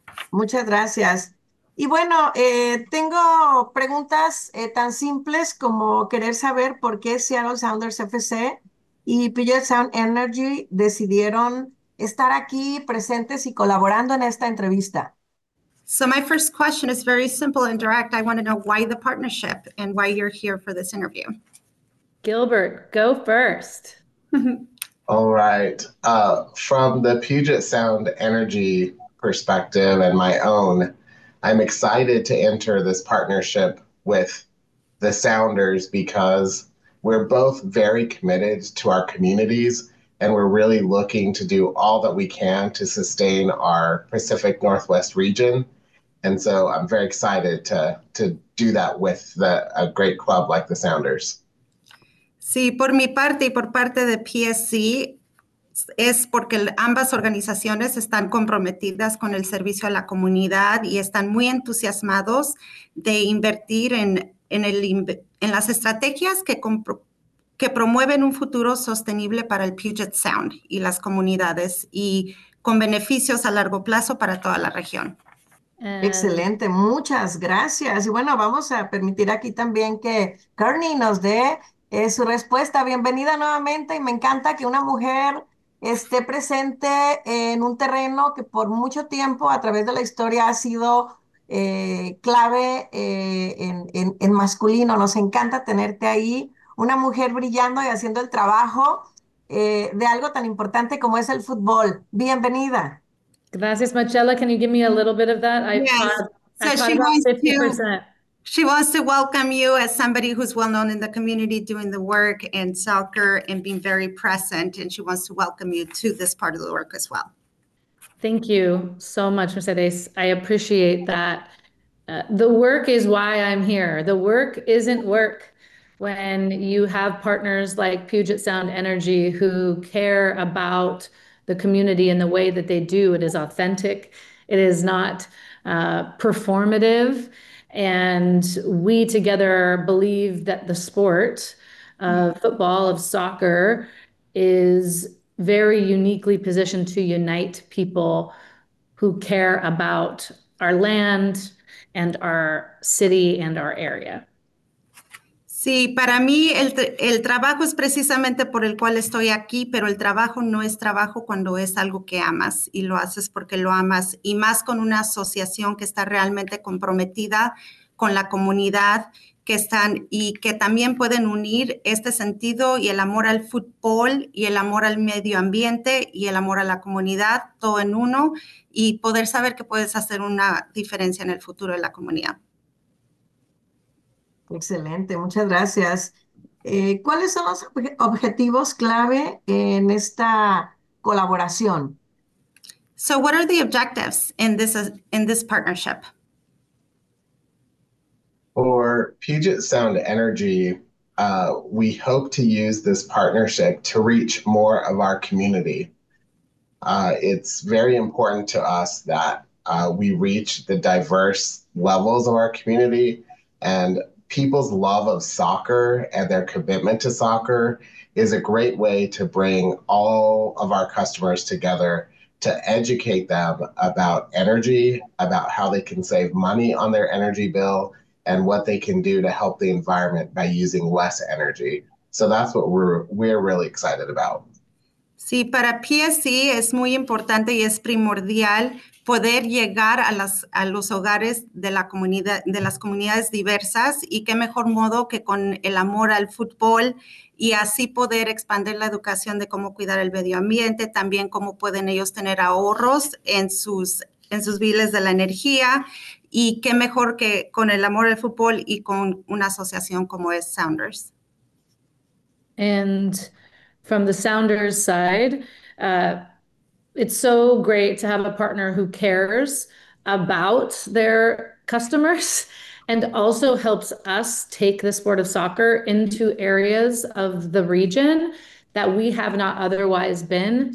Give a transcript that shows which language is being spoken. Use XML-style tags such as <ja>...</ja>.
<es>Muchas gracias. Y bueno, tengo preguntas tan simples como querer saber por qué Seattle Sounders FC y Puget Sound Energy decidieron estar aquí presentes y colaborando en esta entrevista.</es> <en>So my first question is very simple and direct. I want to know why the partnership and why you're here for this interview. Gilbert, go first. All right. From the Puget Sound Energy perspective and my own, I'm excited to enter this partnership with the Sounders because we're both very committed to our communities and we're really looking to do all that we can to sustain our Pacific Northwest region. And so I'm very excited to do that with a great club like the Sounders.</en> <es>Sí, por mi parte y por parte de PSC, es porque ambas organizaciones están comprometidas con el servicio a la comunidad y están muy entusiasmados de invertir en las estrategias que promueven un futuro sostenible para el Puget Sound y las comunidades y con beneficios a largo plazo para toda la región. Excelente, muchas gracias. Y bueno, vamos a permitir aquí también que Kearney nos dé su respuesta. Bienvenida nuevamente y me encanta que una mujer esté presente en un terreno que por mucho tiempo a través de la historia ha sido clave en masculino. Nos encanta tenerte ahí, una mujer brillando y haciendo el trabajo de algo tan importante como es el fútbol. Bienvenida. Gracias, Marcella.</es> <en>Can you give me a little bit of that? Yes. I So caught about 50%. she wants to welcome you as somebody who's well known in the community doing the work in soccer and being very present, and she wants to welcome you to this part of the work as well. Thank you so much, Mercedes. I appreciate that. The work is why I'm here. The work isn't work when you have partners like Puget Sound Energy who care about the community and the way that they do it is authentic. It is not performative. And we together believe that the sport of football, of soccer, is very uniquely positioned to unite people who care about our land and our city and our area.</en> <es>Sí, para mí el trabajo es precisamente por el cual estoy aquí, pero el trabajo no es trabajo cuando es algo que amas y lo haces porque lo amas y más con una asociación que está realmente comprometida con la comunidad que están y que también pueden unir este sentido y el amor al fútbol y el amor al medio ambiente y el amor a la comunidad, todo en uno y poder saber que puedes hacer una diferencia en el futuro de la comunidad. Excelente, muchas gracias. ¿Cuáles son los objetivos clave en esta colaboración?</es> <en>So, what are the objectives in this partnership? For Puget Sound Energy, we hope to use this partnership to reach more of our community. It's very important to us that we reach the diverse levels of our community, and people's love of soccer and their commitment to soccer is a great way to bring all of our customers together to educate them about energy, about how they can save money on their energy bill, and what they can do to help the environment by using less energy. So that's what we're really excited about.</en> <es>Sí, para PSE es muy importante y es primordial poder llegar a los hogares de la comunidad, de las comunidades diversas, y qué mejor modo que con el amor al fútbol y así poder expandir la educación de cómo cuidar el medio ambiente, también cómo pueden ellos tener ahorros en sus biles de la energía, y qué mejor que con el amor al fútbol y con una asociación como es Sounders.</es> <en>And from the Sounders side, it's so great to have a partner who cares about their customers and also helps us take the sport of soccer into areas of the region that we have not otherwise been.</en>